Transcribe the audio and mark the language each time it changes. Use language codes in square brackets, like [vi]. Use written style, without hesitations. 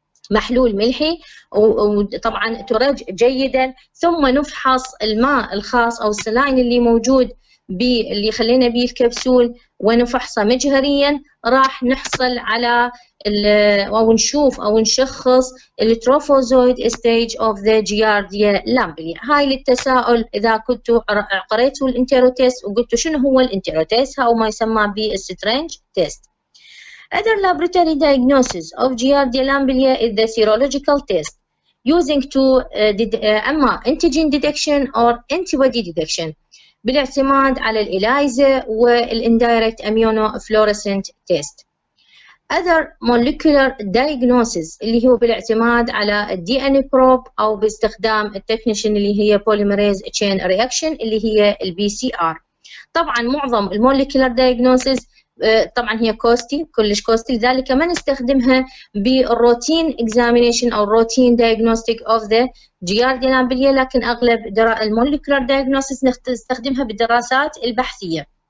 [ar] محلول ملحي، وطبعا ترج جيدا، ثم نفحص الماء الخاص أو السلاين اللي موجود اللي خلينا به الكبسول ونفحصه مجهريا، راح نحصل على او نشوف او نشخص التروفوزويد ستيج اوف ذا جياردية لامبلية. هاي للتساؤل اذا كنتوا قريتوا الانترو تيست وقلتوا شنو هو الانترو تيست او ما يسمى بالسترنج تيست. [en] Other laboratory diagnosis of جياردية لامبلية is the serological test using to اما antigen detection or antibody detection [ar] بالاعتماد على [en] الإلايزا والإندايركت immunofluorescent test. Other molecular diagnosis [ar] اللي هو بالاعتماد على الدي ان بروب أو باستخدام التكنيشن اللي هي بوليميريز تشين رياكشن اللي هي البي سي آر. طبعا معظم المولكيولر دايجنوسيس طبعا هي كوستي، كلش كوستي، لذلك ما نستخدمها بالروتين اكزامينيشن او الروتين دايجنوستيك اوف ذا جياردية لامبلية، لكن اغلب المولكيولر دايجنوستيس نستخدمها بالدراسات البحثيه.